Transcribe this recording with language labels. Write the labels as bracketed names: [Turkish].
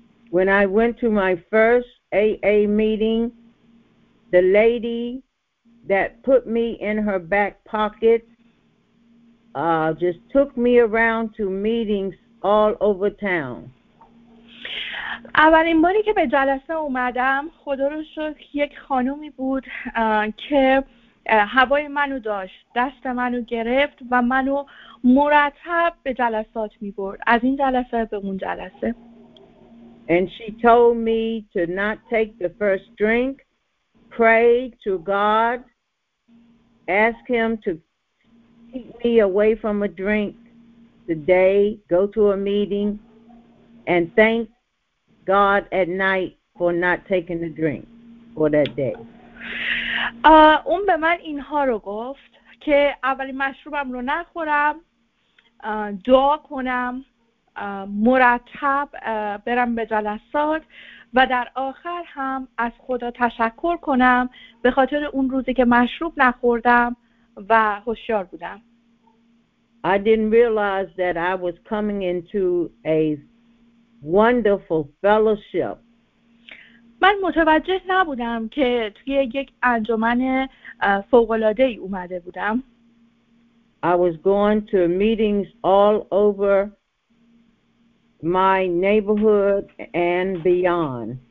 [English] When I went to my first AA meeting, the lady that put me in her back pocket just took me around to meetings all over town. [Persian] اولین باری که به جلسه اومدم، خدا رو شکر یک خانومی بود که هوای منو داشت، دست منو گرفت و منو مرتب به جلسات می‌برد. از این جلسه به اون جلسه. [English] And she told me to not take the first drink, pray to God, ask him to keep me away from a drink today, go to a meeting, and thank God at night for not taking the drink for that day. [Persian] اون به من اینها رو گفت که اولین مشروبم رو نخورم، دعا کنم، مرتب برم به جلسات و در آخر هم از خدا تشکر کنم به خاطر اون روزی که مشروب نخوردم و هوشیار بودم. [English] I didn't realize that I was coming into a wonderful fellowship. [Persian] من متوجه نبودم که توی یک انجمن فوق‌العاده‌ای اومده بودم. [English] I was going to meetings all over my neighborhood and beyond